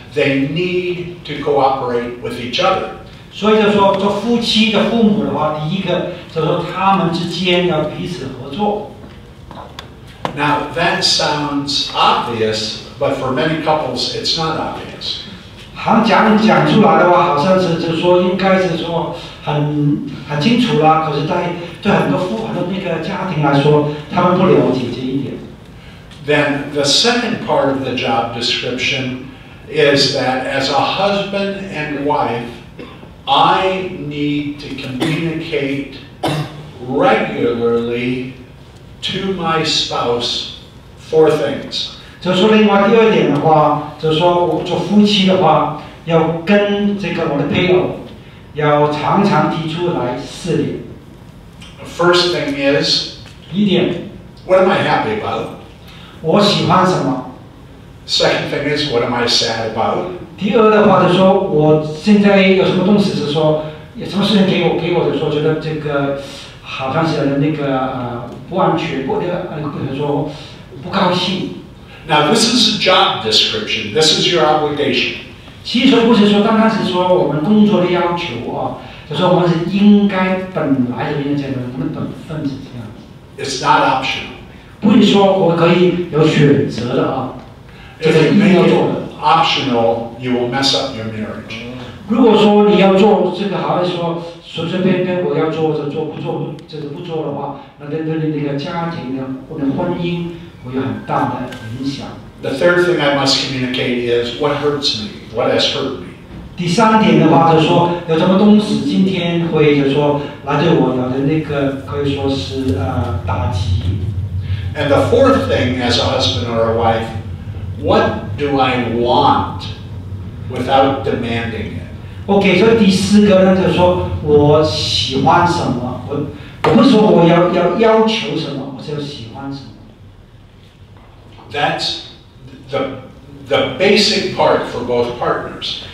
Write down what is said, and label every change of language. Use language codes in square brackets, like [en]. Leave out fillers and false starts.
[en] They need to cooperate with each other. [zh] 所以就说，做夫妻的父母的话，第一个就说他们之间要彼此合作。 [en] Now that sounds obvious, but for many couples, it's not obvious. [zh] 好像讲出来的话，好像是就说应该是说很清楚了。可是对很多夫妇的那个家庭来说，他们不了解这一点。 [en] Then the second part of the job description. Is that as a husband and wife, I need to communicate regularly to my spouse four things. [zh] 就说另外第二点的话，就说我做夫妻的话，要跟这个我的配偶要常常提出来四点。 [en] The first thing is, [zh] 第一点 [en] what am I happy about? [zh] 我喜欢什么？ [en] Second thing is, what am I sad about? [zh] 第二的话就是说，我现在有什么东西是说，有什么事情给我就说，觉得这个好像是那个不安全，或者就是说不高兴。 [en] Now this is a job description. This is your obligation. [zh] 其实不是说刚开始说我们工作的要求啊，就说我们是应该本来就应该这样，我们本分是这样。 [en] It's not optional. [zh] 不是说我可以有选择的啊。 [en] If you make it optional, you will mess up your marriage. [zh] 如果说你要做这个，好像说随随便便我要做就做，不做就是不做的话，那对你那个家庭呢，或者婚姻会有很大的影响。 [en] The third thing I must communicate is what hurts me, what has hurt me. [zh] 第三点的话，就是说有什么东西今天会就是说来对我有的那个可以说是打击。 [en] And the fourth thing, as a husband or a wife. What do I want without demanding it? Okay, so [zh] 第四个呢，就说我喜欢什么，我不是说我要要求什么，我是要喜欢什么。 [en] That's the basic part for both partners.